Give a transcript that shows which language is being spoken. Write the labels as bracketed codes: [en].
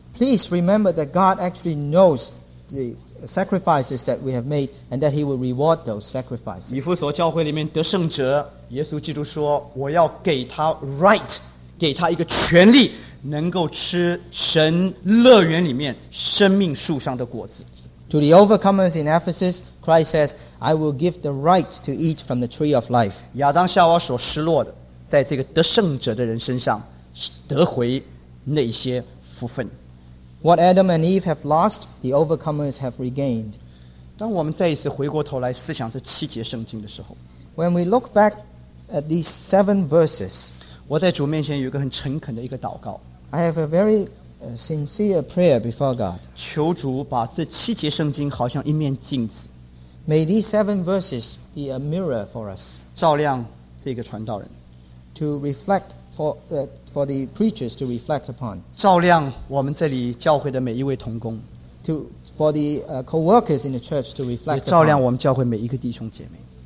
[en] Please remember that God actually knows the sacrifices that we have made and that he will reward those sacrifices. [zh] 以弗所教会里面得胜者，耶稣基督说，我要给他一个权利。 [en] To the overcomers in Ephesus, Christ says, I will give the right to eat from the tree of life. [zh] 亚当夏娃所失落的, 在这个得胜者的人身上, 得回那些福分。 [en] What Adam and Eve have lost, the overcomers have regained. [zh] 当我们再一次回过头来思想这七节圣经的时候, [en] When we look back at these seven verses, [zh] 我在主面前有一个很诚恳的一个祷告。 [en] I have a very sincere prayer before God. [zh] 求主把这七节圣经好像一面镜子。 [en] May these seven verses be a mirror for us. [zh] 照亮这个传道人。 [en] To reflect for the preachers to reflect upon. [zh] 照亮我们这里教会的每一位同工。 [en] To for the co-workers in the church to reflect upon. [zh] 也照亮我们教会每一个弟兄姐妹。